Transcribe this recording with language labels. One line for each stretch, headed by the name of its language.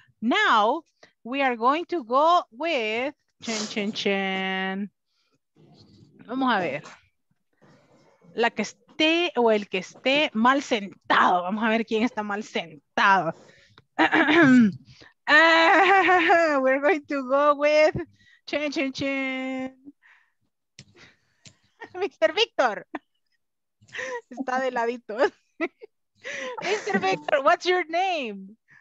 English: Now we are going to go with Chen Chen Chen.
Spanish: Vamos a ver. La que esté o el que esté mal sentado. Vamos a ver quién está mal sentado.
English: we're going to go with Chen Chen Chen.
Spanish: Mr. Victor. Está de ladito. Mr.
English: Victor, what's your name?